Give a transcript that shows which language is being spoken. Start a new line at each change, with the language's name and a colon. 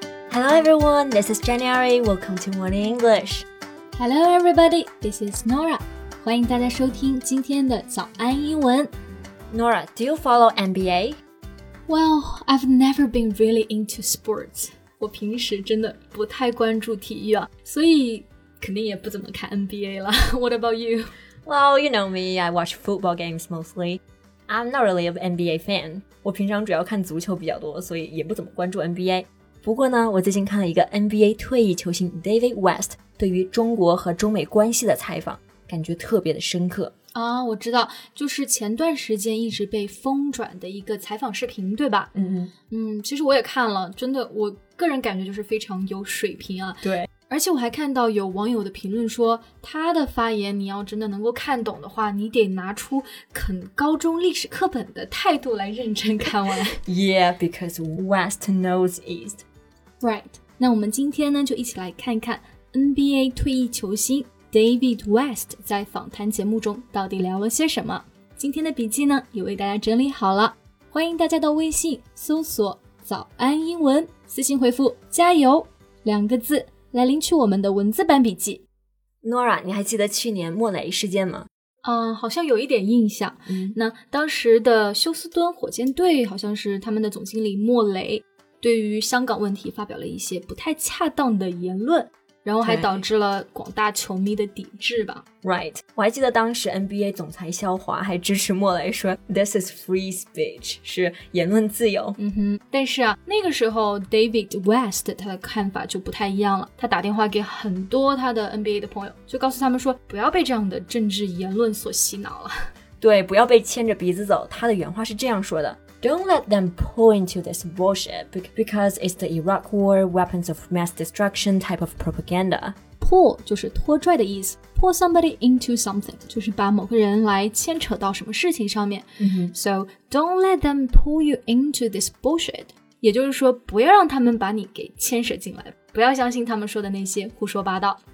English: Hello everyone, this is January. Welcome to Morning English. Hello everybody, this is Nora.
Chinese: 欢迎大家收听今天的早安英文。
English: Nora, do you follow NBA? Well, I've never been really into sports.
Chinese: 我平时真的不太关注体育啊，所以肯定也不怎么看 NBA 了。
English: What about you? Well, you know me, I watch football games mostly. I'm not really an NBA fan.
Chinese: 我平常主要看足球比较多，所以也不怎么关注 NBA。不过呢，我最近看了一个 NBA 退役球星 David West 对于中国和中美关系的采访，感觉特别的深刻。啊，我知道，就是前段时间一直被疯转的一个采访视频，对吧？其实我也看了，真的，我个人感觉就是非常有水平啊。对。而且我还看到有网友的评论说，他的发言你要真的能够看懂的话，你得拿出啃高中历史课本的态度来认真看完。
English: Yeah, because West knows East.
Chinese: Right, 那我们今天呢就一起来看看 NBA 退役球星 David West 在访谈节目中到底聊了些什么。今天的笔记呢也为大家整理好了，欢迎大家到微信搜索早安英文，私信回复加油两个字来领取我们的文字版笔记。 Nora, 你还记得去年莫雷事件吗？好像有一点印象。那当时的休斯敦火箭队好像是他们的总经理莫雷对于香港问题发表了一些不太恰当的言论，然后还导致了广大球迷的抵制吧。 Right, 我还记得当时 NBA 总裁肖华还支持莫雷说
English: This is free speech,
Chinese: 是言论自由。但是啊，那个时候 David West 他的看法就不太一样了，他打电话给很多他的 NBA 的朋友，就告诉他们说不要被这样的政治言论所洗脑了。对，不要被牵着鼻子走，他的原话是这样说的。
English: Don't let them pull into this bullshit because it's the Iraq war, weapons of mass destruction type of propaganda.
Chinese: Pull 就是拖拽的意思， pull somebody into something 就是把某个人来牵扯到什么事情上面。
English: So don't let them pull you into this bullshit，
Chinese: 也就是说不要让他们把你给牵扯进来，不要相信他们说的那些胡说八道。